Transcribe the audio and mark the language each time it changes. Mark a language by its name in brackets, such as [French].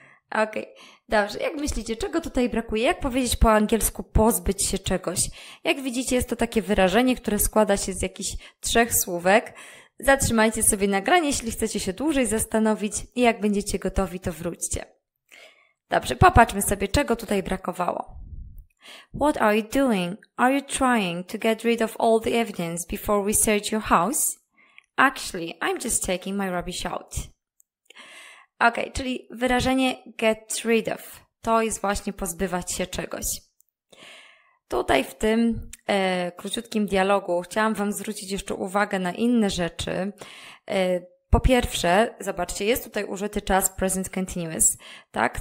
[Polish] Okej, dobrze. Jak myślicie, czego tutaj brakuje? Jak powiedzieć po angielsku pozbyć się czegoś? Jak widzicie, jest to takie wyrażenie, które składa się z jakichś trzech słówek. Zatrzymajcie sobie nagranie, jeśli chcecie się dłużej zastanowić i jak będziecie gotowi, to wróćcie. Dobrze, popatrzmy sobie, czego tutaj brakowało. [English] What are you doing? Are you trying to get rid of all the evidence before we search your house? Actually, I'm just taking my rubbish out. [Polish] Ok, czyli wyrażenie get rid of. To jest właśnie pozbywać się czegoś. Tutaj w tym króciutkim dialogu chciałam Wam zwrócić jeszcze uwagę na inne rzeczy. Po pierwsze, zobaczcie, jest tutaj użyty czas present continuous, tak?